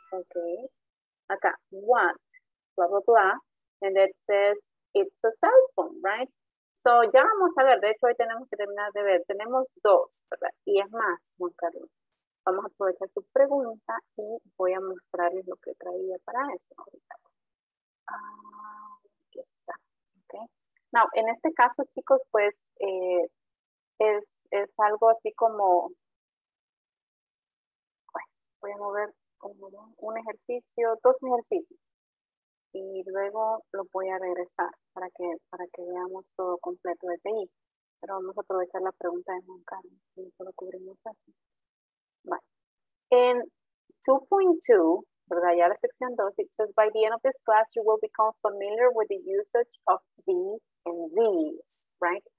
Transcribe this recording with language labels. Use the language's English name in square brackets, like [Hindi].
[English] Okay, acá, what, blah, blah, blah, and it says, it's a cell phone, right? [Spanish] So, ya vamos a ver, de hecho, hoy tenemos que terminar de ver, tenemos dos, ¿verdad? Y es más, Juan Carlos. Vamos a aprovechar tu pregunta y voy a mostrarles lo que traía para esto ahorita. Aquí está. Okay. Now, en este caso, chicos, pues es algo así como, bueno, voy a mover como un ejercicio, dos ejercicios. Y luego lo voy a regresar para que veamos todo completo desde ahí. Pero vamos a aprovechar la pregunta de Juan Carlos y eso lo cubrimos así. [English] In 2.2, ¿verdad? [Spanish] Ya la sección 2, [English] it says, by the end of this class, you will become familiar with the usage of these and these, right?